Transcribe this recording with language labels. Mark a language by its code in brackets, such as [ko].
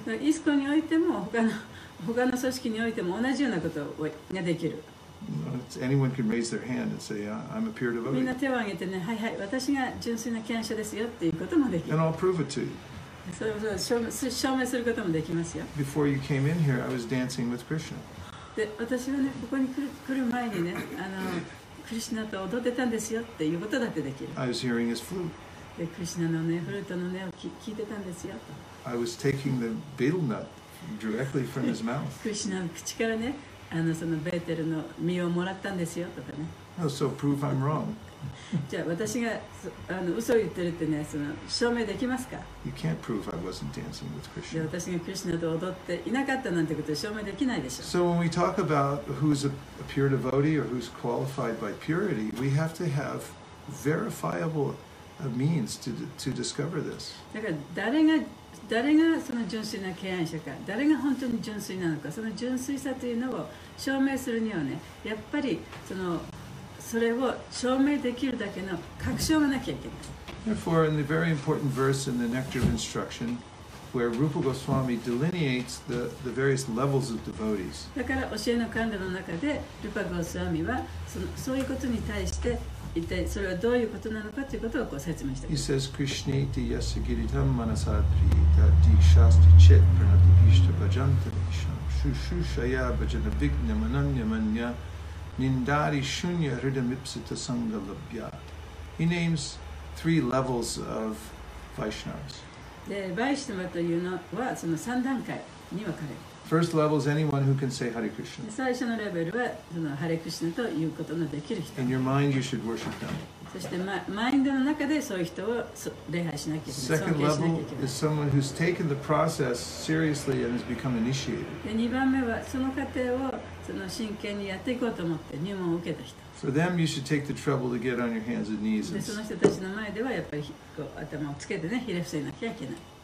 [ja] ISKCONにおいても他の組織においても同じようなことができる。 [en] Anyone can raise their hand and say, "I'm a pure devotee." [ja] みんな手を挙げてね、はいはい、私が純粋な賢者ですよっていうこともできる。 [en] And I'll prove it to you. [ja] それを証明することもできますよ。 [en] Before you came in here, I was dancing with Krishna. [ja] で、私はね、ここに来る前にね、クリシナと踊ってたんですよっていうことだってできる。 [en] I was hearing his flute. [ja] でクリシナの、ね、フルートの音を聞いてたんですよと。 [en] I was taking the betel nut directly from his mouth. [ja] クリシナの口からね、そのベーテルの実をもらったんですよとかね。 [en] Oh, so prove I'm wrong. [ja] じゃあ私が嘘を言ってるってね、その証明できますか？ [en] You can't prove I wasn't dancing with Krishna. [ja] じゃあ私がクリシナと踊っていなかったなんてことを証明できないでしょ。 [en] So when we talk about who's a pure devotee or who's qualified by purity, we have to have verifiable. Means to discover this. [ja] だから誰がその純粋な敬愛者か、誰が本当に純粋なのか、その純粋さというのを証明するにはね、やっぱりそれを証明できるだけの確証がなきゃいけない。 [en] Therefore, in the very important verse in the Nectar of Instruction, where Rupa Goswami delineates the various levels of devotees. [ja] だから教えの管理の中で、ルパ・ゴスワミはそういうことに対して一体それはどういうことなのかということをこう説明しています。 [en] He says, [sa] Krishna iti yasa giritam manasatri dati shasti chit pranati pishta bhajanta visham shushushaya bhajana vigna mananya manya nindari shunya hridam ipsita sangha labhya. [en] He names three levels of Vaishnavas. [ja] Vaishnava というのはその三段階に分かれる。 [en] First level is anyone who can say Hare Krishna. [ja] 最初のレベルはそのハレクリシナということのできる人。 [en] In your mind, you should worship them. [ja] そしてマインドの中でそういう人を礼拝しなきゃいけない。 [en] Second level is someone who's taken the process seriously and has become initiated. [ja] で、2番目はその過程をその真剣にやっていこうと思って入門を受けた人。 [en] For them, you should take the trouble to get on your hands and knees. [ja] で、その人たちの前ではやっぱりこう頭をつけてね、ひれ伏せなきゃいけない。